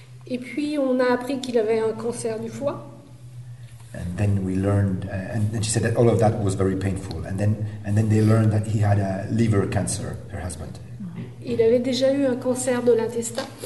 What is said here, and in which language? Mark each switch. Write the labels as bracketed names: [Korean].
[French] Et puis on a appris qu'il avait un cancer du foie. [English] And then we learned, and she said that all of that was very painful. And then they learned that he had a liver cancer, her husband. [French] Il avait déjà eu un cancer de l'intestin.